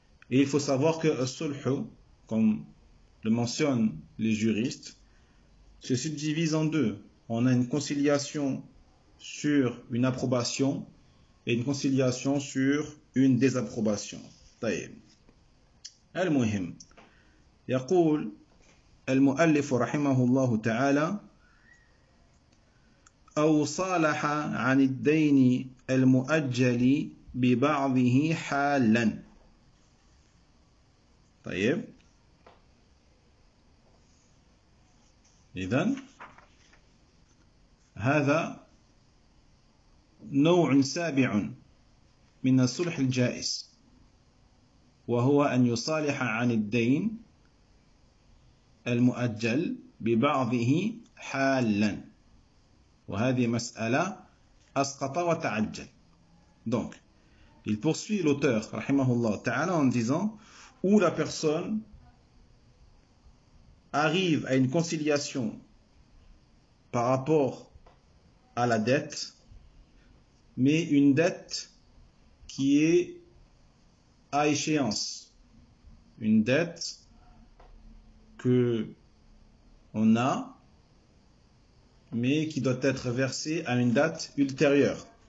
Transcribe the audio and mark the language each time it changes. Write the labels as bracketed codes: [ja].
[fr] Et il faut savoir que الصلح, comme le mentionnent les juristes, se subdivise en deux. On a une conciliation sur une approbation et une conciliation sur une désapprobation. [ar] طيب المهم يقول المؤلف رحمه الله تعالى أو صالح عن الدين المؤجل ببعضه حالا. طيب إذن هذا نوع سابع من الصلح الجائز، وهو أن يصالح عن الدين المؤجل ببعضه حالا، وهذه مسألة أسقط وتعجل. [fr] Donc, il poursuit l'auteur, [ar] rahimahullah ta'ala, [fr] en disant où la personne arrive à une conciliation par rapport à la dette, mais une dette qui est à échéance, une dette que on a, mais qui doit être versée à une date ultérieure.